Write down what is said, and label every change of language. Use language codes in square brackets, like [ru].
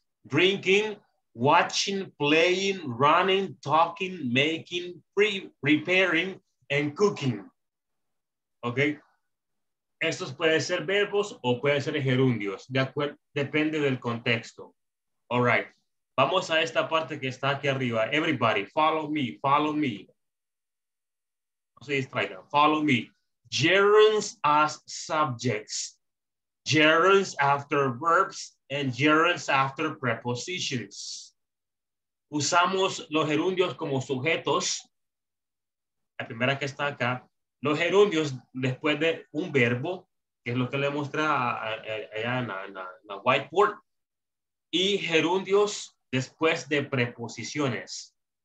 [en] Drinking, watching, playing, running, talking, making, preparing, and cooking. Okay? [es] Estos pueden ser verbos o pueden ser gerundios. Depende del contexto. [en] All right. [es] Vamos a esta parte que está aquí arriba. [en] Everybody, follow me. [es] No se distraigan. [en] Follow me. Gerunds as subjects, gerunds after verbs, and gerunds after prepositions. [es] Usamos los gerundios como sujetos. La primera que está acá, los gerundios después de un verbo, que es lo que le mostré allá en la whiteboard, y gerundios después de preposiciones.